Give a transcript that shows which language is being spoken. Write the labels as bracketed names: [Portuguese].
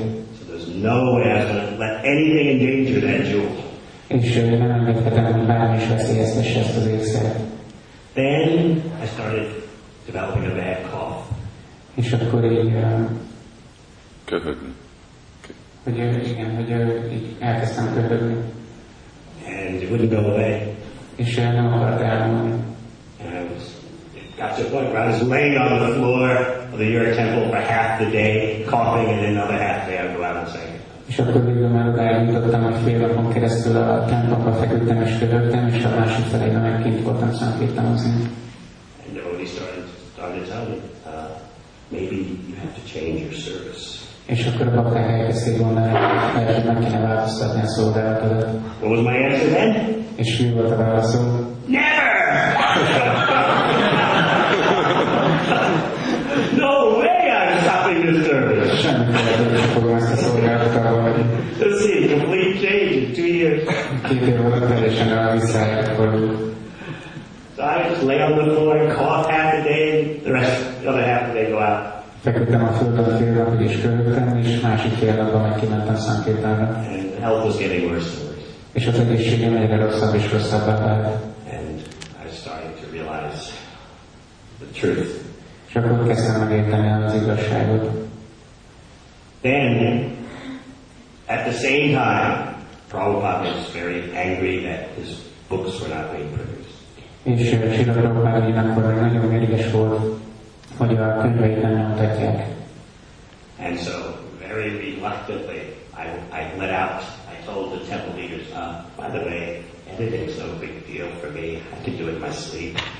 [English] So there's no way I'm going to let anything endanger that jewel. [Hungarian] És én nem engedhetem, hogy bármi is veszélyeztesse ezt az ésszert. [English] Then I started developing a bad cough. [Hungarian] És akkor így... Köhögni. Hogy igen, hogy így elkezdtem köhögni. [English] And it wouldn't go away. [Hungarian] És nem akart elmondani. [English] And I was... It got to a point where I was laying on the floor of the Yura temple for half the day, coughing, and another half day, I'd go out and say. [Hungarian] És akkor végül már odáig jutottam, hogy fél napon keresztül a templomba feküdtem és köhögtem, és a másik felébe meg kint voltam szankirtanozni. [English] And nobody started telling me, maybe you have to change your service. [Hungarian] És akkor a bakták elkezdték mondani, hogy meg kéne változtatni a szolgálatodat. [English] What was my answer then? [Hungarian] És mi volt a válaszom? [English] Never! No way I'm stopping your service! [Hungarian] Semmi kérdés. [English] So I just lay on the floor and cough half the day, the rest, the other half the day go out. [Hungarian] Feküdtem a földön fél napig és köhögtem, és másik fél napban meg kimentem Sankirtanra. [English] Health was getting worse and worse. [Hungarian] És az egészségem egyre rosszabb és rosszabbá vált. [English] And I started to realize the truth. [Hungarian] És akkor kezdtem megérteni az igazságot. [English] Then, at the same time, Prabhupada was very angry that his books were not being produced. [Hungarian] És Srila Prabhupada ugyanakkor nagyon mérges volt, hogy a könyveit nem nyomtatják. [English] And so, very reluctantly, I let out, I told the temple leaders, by the way, editing's no big deal for me, I can do it in my sleep.